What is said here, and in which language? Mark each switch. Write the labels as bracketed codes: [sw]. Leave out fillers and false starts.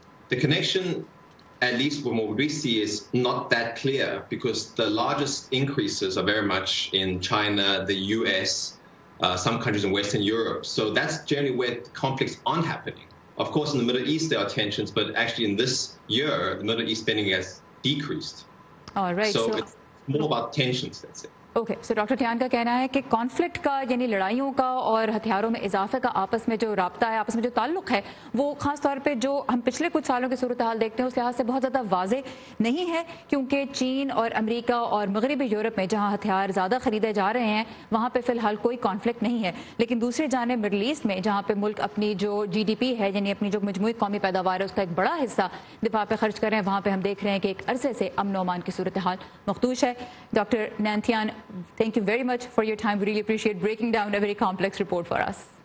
[en] The connection, at least from what we see, is not that clear, because the largest increases are very much in China, the US, some countries in Western Europe. So that's generally where conflicts aren't happening. Of course, in the Middle East, there are tensions, but actually in this year, the Middle East spending has decreased. All right. So it's more about tensions, that's it. [ur] Okay so doctor تھیان کا کہنا ہے کہ conflict کا یعنی لڑائیوں کا اور ہتھیاروں میں اضافے کا آپس میں جو رابطہ ہے، آپس میں جو تعلق ہے، وہ خاص طور پہ جو ہم پچھلے کچھ سالوں کی صورتحال دیکھتے ہیں اس لحاظ سے بہت زیادہ واضح نہیں ہے، کیونکہ چین اور امریکہ اور مغربی یورپ میں جہاں ہتھیار زیادہ خریدے جا رہے ہیں وہاں پہ فی الحال کوئی کانفلکٹ نہیں ہے، لیکن دوسری جانب مڈل ایسٹ میں جہاں پہ ملک اپنی جو جی ڈی پی ہے یعنی اپنی جو مجموعی قومی پیداوار ہے اس کا ایک بڑا حصہ دفاع پہ خرچ کر رہے ہیں، وہاں پہ ہم دیکھ رہے ہیں کہ ایک عرصے سے امن و امان کی صورتحال مختوش ہے. [en] Doctor نین تھیان, thank you very much for your time. We really appreciate breaking down a very complex report for us.